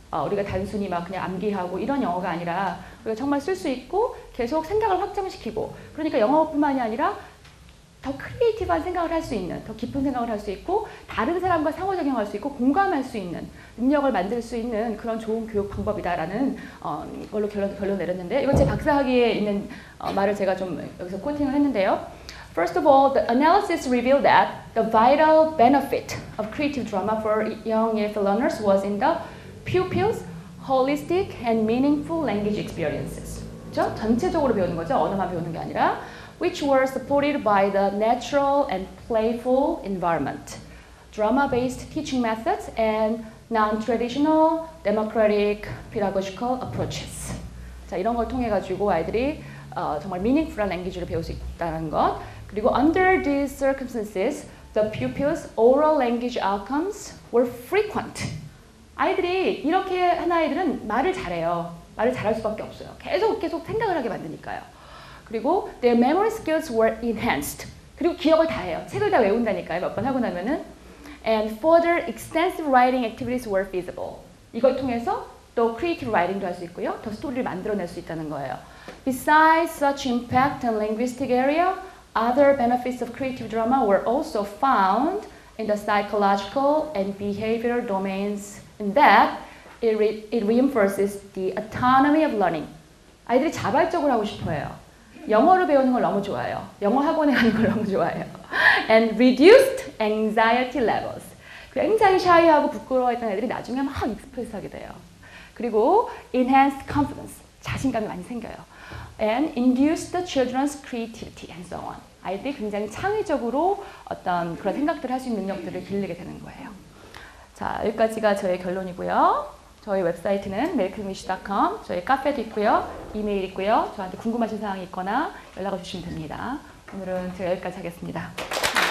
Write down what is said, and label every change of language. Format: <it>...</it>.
<ko>우리가 단순히 막 그냥 암기하고 이런 영어가 아니라 우리가 정말 쓸 수 있고 계속 생각을 확장시키고 그러니까 영어뿐만이 아니라 더 크리에이티브한 생각을 할 수 있는 더 깊은 생각을 할 수 있고 다른 사람과 상호작용할 수 있고 공감할 수 있는 능력을 만들 수 있는 그런 좋은 교육 방법이다라는 걸로 결론 내렸는데 이건 제 박사학위에 있는 말을 제가 좀 여기서 코팅을 했는데요.</ko> <en>First of all, the analysis revealed that the vital benefit of creative drama for young EFL learners was in the pupils' holistic and meaningful language experiences.</en> <ko>그렇죠? 전체적으로 배우는 거죠. 언어만 배우는 게 아니라.</ko> <en>Which were supported by the natural and playful environment, drama-based teaching methods, and non-traditional democratic pedagogical approaches.</en> <ko>자, 이런 걸 통해 가지고 아이들이 정말 meaningful한 language를 배울 수 있다는 것.</ko> <en>그리고 under these circumstances, the pupils' oral language outcomes were frequent.</en> <ko>아이들이 이렇게 한 아이들은 말을 잘해요. 말을 잘할 수밖에 없어요. 계속 생각을 하게 만드니까요. 그리고</ko> <en>their memory skills were enhanced.</en> <ko>그리고 기억을 다 해요. 책을 다 외운다니까요. 몇 번 하고 나면은.</ko> <en>And further extensive writing activities were feasible.</en> <ko>이걸 통해서 또 creative writing도 할 수 있고요. 더 스토리를 만들어낼 수 있다는 거예요.</ko> <en>Besides such impact on linguistic area, other benefits of creative drama were also found in the psychological and behavioral domains in that it reinforces the autonomy of learning.</en> <ko>아이들이 자발적으로 하고 싶어요. 영어를 배우는 걸 너무 좋아해요. 영어 학원에 가는 걸 너무 좋아해요.</ko> <en>And reduced anxiety levels.</en> <ko>굉장히 shy하고 부끄러워했던 애들이 나중에 막 익스프레스하게 돼요. 그리고</ko> <en>enhanced confidence.</en> <ko>자신감이 많이 생겨요.</ko> <en>And induced the children's creativity and so on.</en> <ko>아이들이 굉장히 창의적으로 어떤 그런 생각들을 할 수 있는 능력들을 길르게 되는 거예요. 자, 여기까지가 저의 결론이고요. 저희 웹사이트는 milkenglish.com, 저희 카페도 있고요, 이메일 있고요, 저한테 궁금하신 사항이 있거나 연락을 주시면 됩니다. 오늘은 제가 여기까지 하겠습니다.</ko>